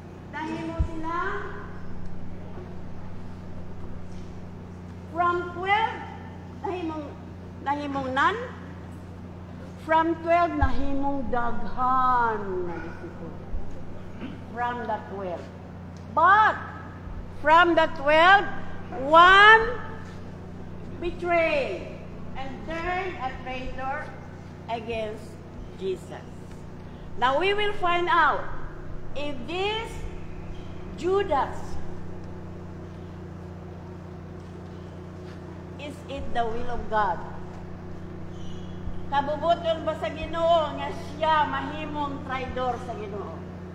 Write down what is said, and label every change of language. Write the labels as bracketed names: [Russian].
[Cebuano] Nahimo sila [English] from 12 [Cebuano] nahimong nan. [English] From 12 [Cebuano] nahimong daghan na disipulo. [English] From the 12. But from the 12, one betrayed and turned a traitor against Jesus. Now we will find out if this Judas, is it the will of God? [Cebuano] Kabubuton ba sa Ginoo nga siya mahimong traitor sa Ginoo?